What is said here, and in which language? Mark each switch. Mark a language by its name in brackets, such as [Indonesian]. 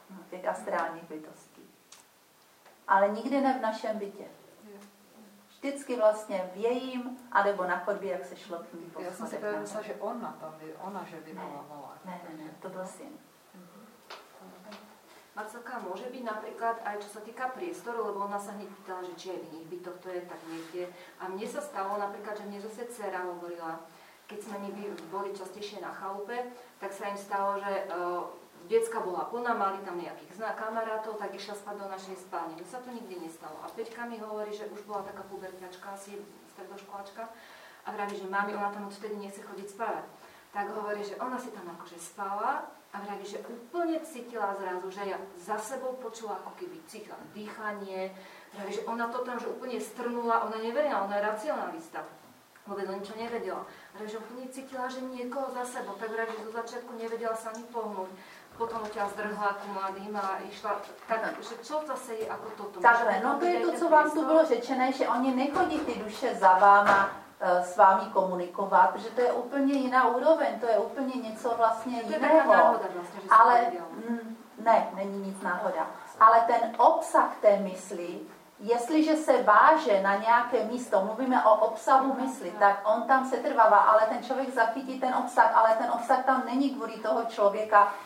[Czech] Těch astrálních bytostí. Ale nikdy ne v našem bytě. Vždycky vlastně v jejím, anebo na chodbě, jak se šlo k ní. Já jsem si tady myslela, že ona tam, ona že vyvolávala. Ne, to byl syn. [Slovak] Marcelka, môže byť napríklad aj čo sa týka priestoru, lebo ona sa hneď pýtala, že či je v iných bytoch, to je tak niekde. A mne sa stalo napríklad, že mne zase dcera hovorila, keď sme my boli častejšie na chalupe, tak sa im stalo, že decka bola plná, mali tam nejakých kamarátov, tak išla spať do našej spálne. To sa to nikdy nestalo. A Peťka mi hovorí, že už bola taká puberťačka, asi stredoškoláčka, a vraví, že mami, ona tam odtedy nechce chodiť spávať. tak hovorí, že ona si tam akože spala a vraví, že úplne cítila zrazu, že ja za sebou počula, ako keby cítila dýchanie, vraví, že ona to tam že úplne strnula, ona neverila, ona je racionalista, vôbec o ničo nevedela. Vraví, že úplne cítila, že niekoho za sebou, tak vraví, že zo začiatku nevedela sa ani pohnúť. Potom ťa zdrhla ku mladým a išla, takže čo zase je ako toto? [Czech] Takže, no to je to, co vám tu bolo řečené, že oni nechodí ty duše za váma, s vámi komunikovat, že to je úplně jiná úroveň, to je úplně něco vlastně to To je taková náhoda vlastně, že ale, ne, není nic náhoda. Ale ten obsah té mysli, jestliže se váže na nějaké místo, mluvíme o obsahu mysli, tak on tam setrvává, ale ten člověk zachytí ten obsah, ale ten obsah tam není kvůli toho člověka,